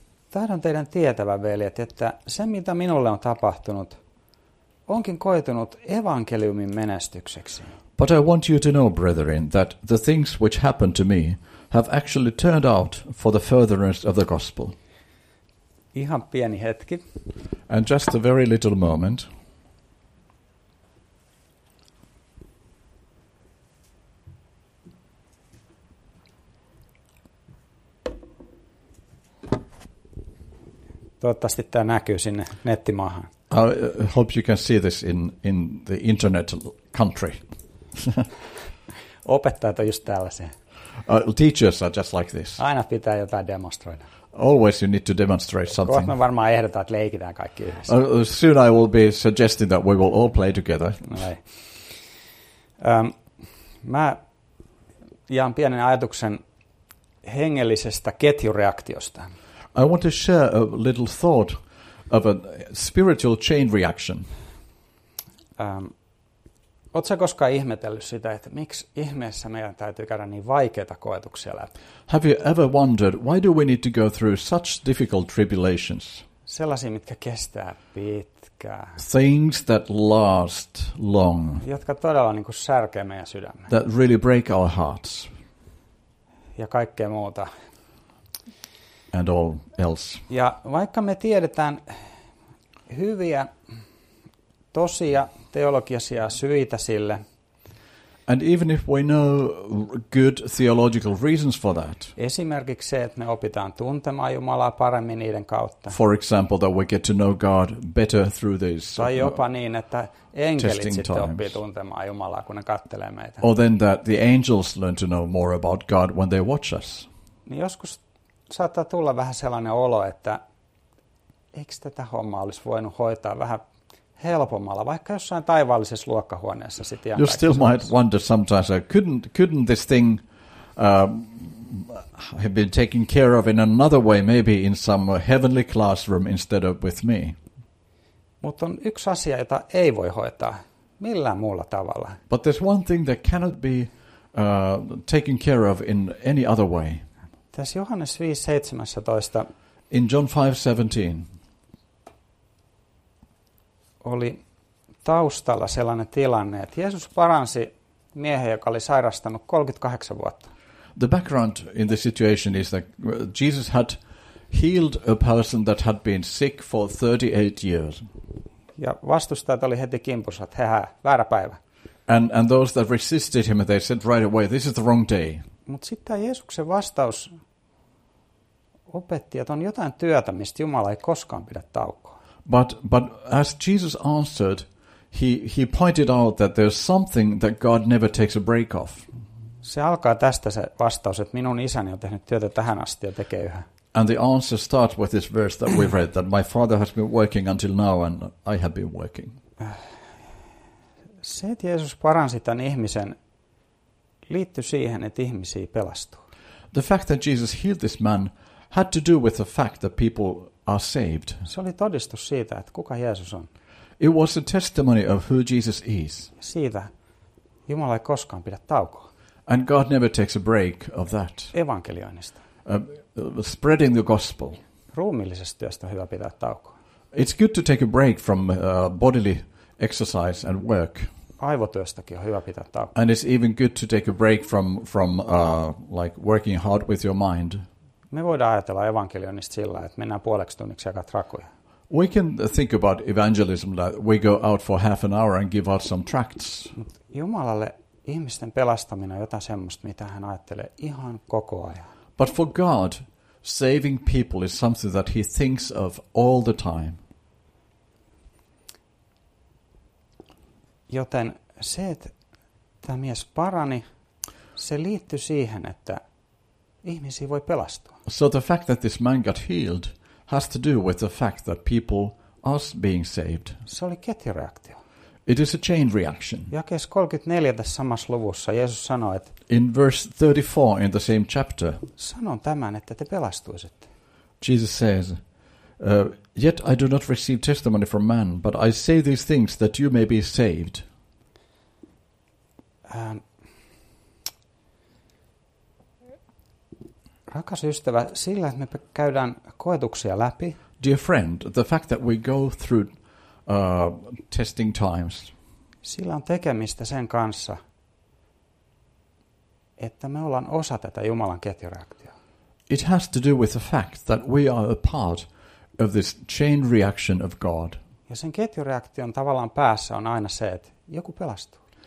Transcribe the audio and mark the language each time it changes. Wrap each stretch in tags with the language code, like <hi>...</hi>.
<fi>Tahdon teidän tietävän, veljet, että se mitä minulle on tapahtunut, onkin koitunut evankeliumin menestykseksi.</fi> <en>But I want you to know, brethren, that the things which happened to me have actually turned out for the furtherance of the gospel.</en> <fi>Ihan pieni hetki.</fi> <en>And just a very little moment.</en> <fi>Toivottavasti tämä näkyy sinne nettimaahan.</fi> <en>I hope you can see this in the internet country.</en> <fi>Opettajat on just tällaisia.</fi> <en>Teachers are just like this.</en> <fi>Aina pitää jotain demonstroida.</fi> <en>Always you need to demonstrate something.</en> <fi>Kohta me varmaan ehdotan, että leikitään kaikki yhdessä.</fi> <en>Soon I will be suggesting that we will all play together.</en> <fi>Mä jaan pienen ajatuksen hengellisestä ketjureaktiosta.</fi> <en>I want to share a little thought of a spiritual chain reaction.</en> <fi>Oletko sä koskaan ihmetellyt sitä, että miksi ihmeessä meidän täytyy käydä niin vaikeita koetuksia läpi?</fi> <en>Have you ever wondered why do we need to go through such difficult tribulations?</en> <fi>Sellaisia, mitkä kestää pitkään.</fi> <en>Things that last long.</en> <fi>Jotka todella niin kuin särkee meidän sydämme.</fi> <en>That really break our hearts.</en> <fi>Ja kaikkea muuta.</fi> <en>And all else.</en> <fi>Ja vaikka me tiedetään hyviä tosia teologisia syitä sille.</fi> <en>And even if we know good theological reasons for that.</en> <fi>Esimerkiksi se, että me opitaan tuntemaan Jumalaa paremmin niiden kautta.</fi> <en>For example, that we get to know God better through these.</en> <fi>Tai jopa niin, että enkelit sitten oppii tuntemaan Jumalaa, kun ne kattelee meitä.</fi> <en>Or then that the angels learn to know more about God when they watch us.</en> <fi>Niin joskus saattaa tulla vähän sellainen olo, että eikö tätä hommaa olisi voinut hoitaa vähän helpommalla, vaikka jossain taivaallisessa luokkahuoneessa sit ihan.</fi> <en>You still might wonder sometimes, couldn't this thing have been taken care of in another way, maybe in some heavenly classroom instead of with me.</en> <fi>Mutta on yksi asia, jota ei voi hoitaa millään muulla tavalla.</fi> <en>But there's one thing that cannot be taken care of in any other way.</en> <fi>Tässä Johannes 5:17.</fi> <en>In John 5:17.</en> <fi>Oli taustalla sellainen tilanne, että Jeesus paransi miehen, joka oli sairastanut 38 vuotta.</fi> <en>The background in the situation is that Jesus had healed a person that had been sick for 38 years.</en> <fi>Ja vastustajat oli heti kimpussa, että hehä, väärä päivä.</fi> <en>And those that resisted him, they said right away, this is the wrong day.</en> <fi>Mutta sitten Jeesuksen vastaus opetti, että on jotain työtä, mistä Jumala ei koskaan pidä taukoa.</fi> <en>But as Jesus answered, he pointed out that there's something that God never takes a break of.</en> <fi>Se alkaa tästä se vastaus, että minun isäni on tehnyt työtä tähän asti ja tekee yhä.</fi> <en>And the answer starts with this verse that we've read, that my father has been working until now and I have been working.</en> <fi>Se, että Jeesus paransi tämän ihmisen, liittyy siihen, että ihmisiä pelastuu.</fi> <en>The fact that Jesus healed this man had to do with the fact that people are saved.</en> <fi>Se oli todistus siitä, että kuka Jeesus on.</fi> <en>It was a testimony of who Jesus is.</en> <fi>Siitä Jumala ei koskaan pidä taukoa.</fi> <en>And God never takes a break of that.</en> <fi>Evankelioinnista.</fi> <en>Spreading the gospel.</en> <fi>Ruumillisesta työstä on hyvä pitää taukoa.</fi> <en>It's good to take a break from bodily exercise and work.</en> <fi>Aivotyöstäkin on hyvä pitää taukoa.</fi> <en>And it's even good to take a break from working hard with your mind.</en> <fi>Me voidaan ajatella evankelioinnista sillä, että mennään puoleksi tunniksi jakaa trakuja.</fi> <en>We can think about evangelism that we go out for half an hour and give out some tracts.</en> <fi>Mutta Jumalalle ihmisten pelastaminen on jotain semmoista, mitä hän ajattelee ihan koko ajan.</fi> <en>But for God, saving people is something that he thinks of all the time.</en> <fi>Joten se, että tämä mies parani, se liittyy siihen, että ihmisiä voi pelastua.</fi> <en>So the fact that this man got healed has to do with the fact that people are being saved.</en> <fi>Se oli ketjureaktio.</fi> <en>It is a chain reaction.</en> <fi>Jakeessa 34 tässä samassa luvussa Jeesus sanoi, että</fi> <en>in verse 34 in the same chapter,</en> <fi>sanon tämän, että te pelastuisitte.</fi> <en>Jesus says, yet I do not receive testimony from man, but I say these things that you may be saved.</en> <fi>Rakas ystävä, sillä että me käydään koetuksia läpi.</fi> <en>Dear friend, the fact that we go through testing times.</en> <fi>Sillä on tekemistä sen kanssa, että me ollaan osa tätä Jumalan ketjureaktiota.</fi> <en>It has to do with the fact that we are a part of this chain reaction of God.</en> <fi>Ja sen ketjureaktion tavallaan päässä on aina se, että joku pelastuu.</fi>